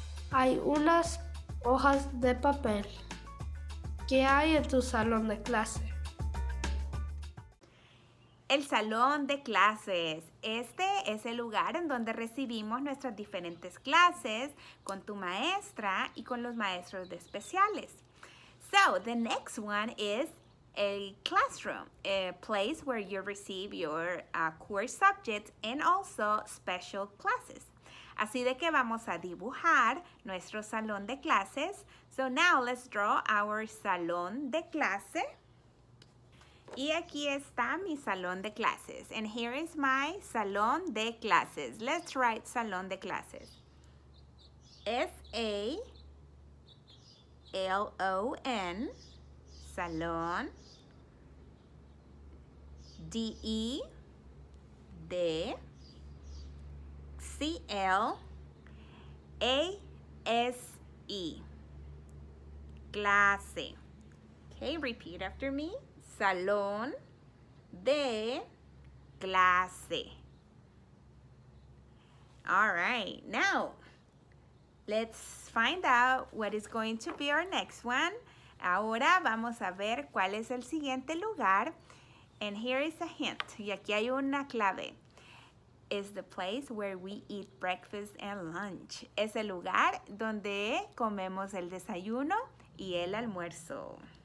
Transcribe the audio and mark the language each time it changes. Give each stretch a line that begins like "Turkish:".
Spanish: Hay unas hojas de papel. ¿Qué hay en tu salón de clase? El salón de clases. Este es el lugar en donde recibimos nuestras diferentes clases con tu maestra y con los maestros de especiales.
English: So, the next one is a classroom, a place where you receive your core subjects and also special classes.
Spanish: Así de que vamos a dibujar nuestro salón de clases.
English: So now let's draw our salón de clase.
Spanish: Y aquí está mi salón de clases.
English: And here is my
Spanish: salón de clases.
English: Let's write salón de clases. S-A-L-O-N, salón. D-E, de. C-L-A-S-E, clase. Okay, repeat after me. Salón de clase. All right, now let's find out what is going to be our next one.
Spanish: Ahora vamos a ver cuál es el siguiente lugar.
English: And here is a hint.
Spanish: Y aquí hay una clave.
English: Is the place where we eat breakfast and lunch.
Spanish: Es el lugar donde comemos el desayuno y el almuerzo.